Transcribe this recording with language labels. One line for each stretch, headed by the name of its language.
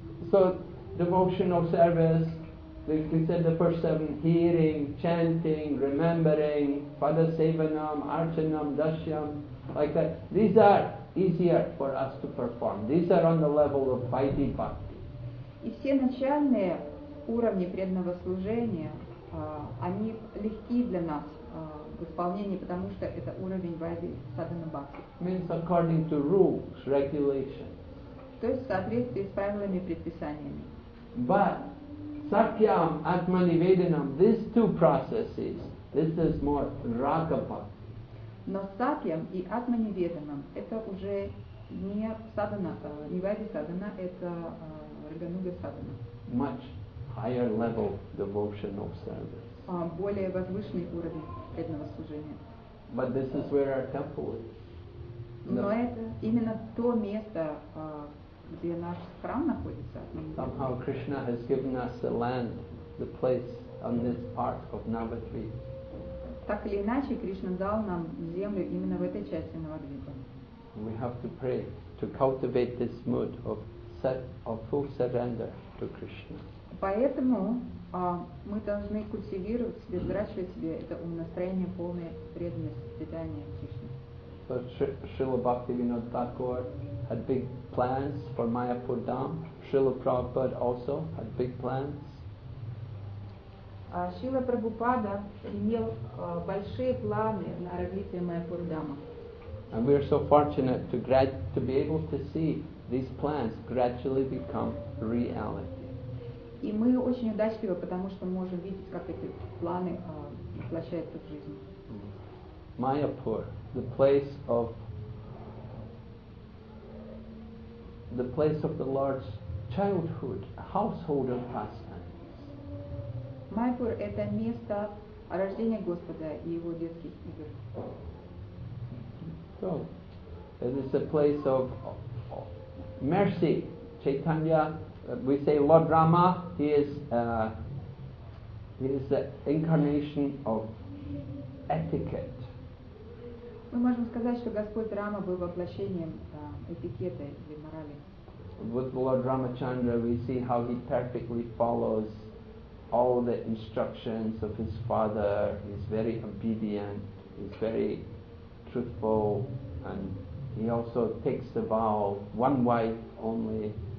English: So, devotional service, like we said, the first seven, hearing, chanting, remembering, Pada Sevanam, Archanam, Dasyam, like that, these are easier for us to perform. These are on the level of Vaidhi Bhakti.
Russian: И все начальные уровни преданного служения, они легки для нас в исполнении, потому что это уровень Vaidhi Sadhana Bhakti.
English: Means according to rules, regulations.
Russian: То есть в соответствии с правилами и предписаниями.
English: But Sakyam, Atmani Vedanam, these two processes, this is more Raga Bhakti.
Russian: Но сакьям и атмани веданам это уже не садхана, не вайди садхана, это рагануга садхана.
English: Much higher level devotional service.
Russian: Более возвышенный уровень преданного служения.
English: But this is where our temple is.
Russian: Но это именно то место, где наш храм находится.
English: Somehow Krishna has given us the land, the place on this part of Navadvipa.
Russian: Так или иначе, Кришна дал нам землю именно в этой части Навадвипа.
English: We have to pray to cultivate this mood of full surrender to Krishna.
Russian: Поэтому мы должны культивировать себе, взращивать себе это настроение полной преданности, предания Кришне.
English: So Srila Bhaktivinoda Thakur had big plans for Mayapur Dham. Srila Prabhupada also had big plans.
Russian: Шрила Прабхупада имел большие планы на развитие Майяпур Дхама.
English: And we are so fortunate to be able to see these plans gradually become reality.
Russian: И мы очень удачливы, потому что мы можем видеть, как эти планы воплощаются в жизнь.
English: Майяпур, the place of the Lord's childhood, household of pastime.
Russian: Майяпур – это место рождения Господа и его детских игр.
English: So, it is a place of mercy. Chaitanya, we say Lord Rama, he is the incarnation of etiquette.
Russian: Мы можем сказать, что Господь Рама был воплощением этикета или морали.
English: With Lord Ramachandra, we see how he perfectly follows all the instructions of his father. He's very obedient, he's very truthful, and he also takes the vow, one wife only.